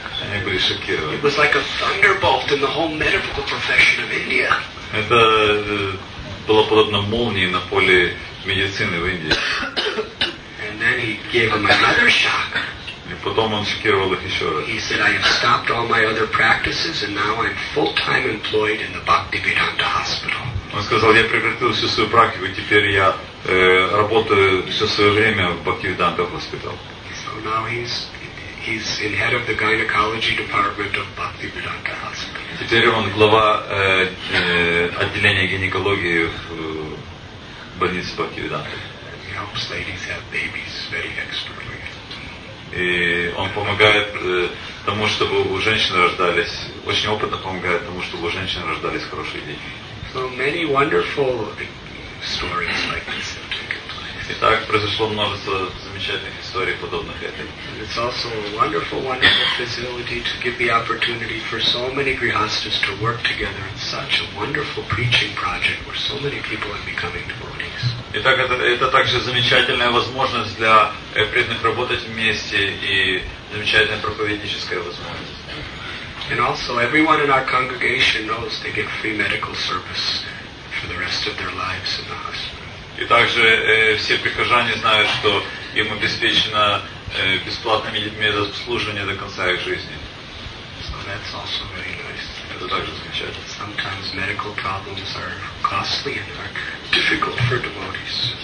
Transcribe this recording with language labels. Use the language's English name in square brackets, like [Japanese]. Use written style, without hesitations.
[Russian] Они были шокированы. [English] It was like a thunderbolt in the whole medical profession of India. [Russian] Это было подобно молнии на поле медицины в Индии. [English] And then he gave them another shock. [Russian] И потом он шокировал их еще раз. [English] He said, I have stopped all my other practices and now I'm full-time employed in the Bhaktivedanta hospital. [Russian] Он сказал, я прекратил всю свою практику, теперь я работаю все свое время в Бхактивиданта Хоспитал. [English] So now he's in head of the gynecology department of Bhaktivedanta Hospital. [Russian] Теперь он глава отделения гинекологии в больнице Бхактивиданта. [English] He helps ladies have babies very expertly. [Russian] И он помогает тому, чтобы у женщин рождались, очень опытно помогает тому, чтобы у женщин рождались хорошие дети. [English] So many wonderful stories like this have taken place. [Russian] И так произошло множество замечательных историй, подобных этой. [English] It's also a wonderful, wonderful facility to give the opportunity for so many grihasthas to work together in such a wonderful preaching project where so many people are becoming devotees. [Russian] И так это также замечательная возможность для преданных работать вместе и замечательная проповедническая возможность. [English] And also everyone in our congregation knows they get free medical service for the rest of their lives in the hospital. [Russian] И также все прихожане знают, что им обеспечено бесплатное медобслуживание до конца их жизни. [English] So that's also very nice. [Russian] Это также замечательно. [English] Sometimes medical problems are costly and are difficult for devotees.